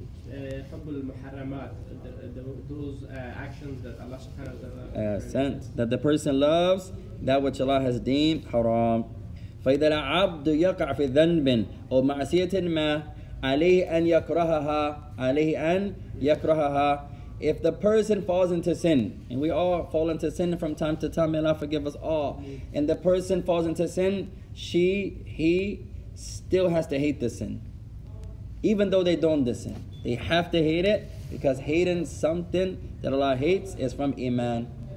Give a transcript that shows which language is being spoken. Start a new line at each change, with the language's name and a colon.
Arabic: حب المحرمات,
English: those actions that Allah subhanahu wa ta'ala sent, that the person loves that which Allah has deemed haram.
Arabic: فإذا العبد يقع في ذنب أو معصية ما عليه أن يكرهها, عليه أن يكرهها.
English: if the person falls into sin, and we all fall into sin from time to time, may Allah forgive us all. And the person falls into sin, he still has to hate the sin. Even though they don't sin, they have to hate it, because hating something that Allah hates is from Iman.